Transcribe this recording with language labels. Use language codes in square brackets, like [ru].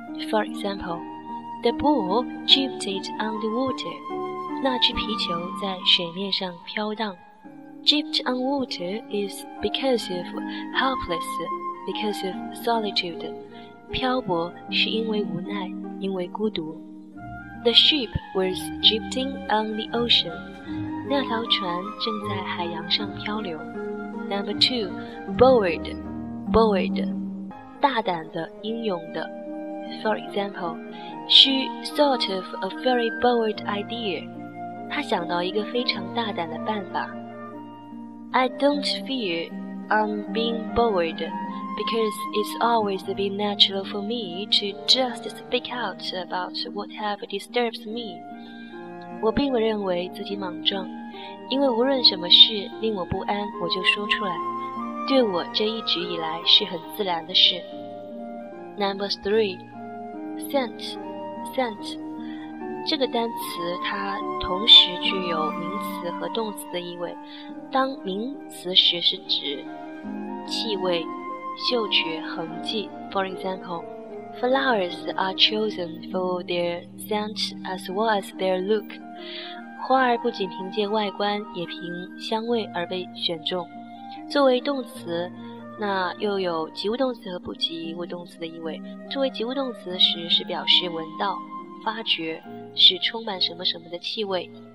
[en] For example, The ball drifted on the water, [zh] 那只皮球在水面上飘荡。 [en] Drift on water is because of helpless because of solitude. [zh] 漂泊是因为无奈，因为孤独。 [en] The ship was drifting on the ocean. [zh] 那条船正在海洋上漂流。 [en] Number two, bold, bold, [zh] 大胆的，英勇的。 [en] For example, she thought of a very bold idea. [zh] 她想到一个非常大胆的办法。 [en] I don't fear on being bold, because it's always been natural for me to just speak out about whatever disturbs me. [zh] 我并不认为自己莽撞，因为无论什么事令我不安，我就说出来，对我这一直以来是很自然的事。 [en] Number three, scent, scent. [zh] 这个单词它同时具有名词和动词的意味，当名词时是指气味、嗅觉、痕迹。 [en] For example, flowers are chosen for their scent as well as their look. [zh] 花儿不仅凭借外观，也凭香味而被选中。作为动词，那又有及物动词和不及物动词的意味。作为及物动词时是表示闻到、发觉，是充满什么什么的气味。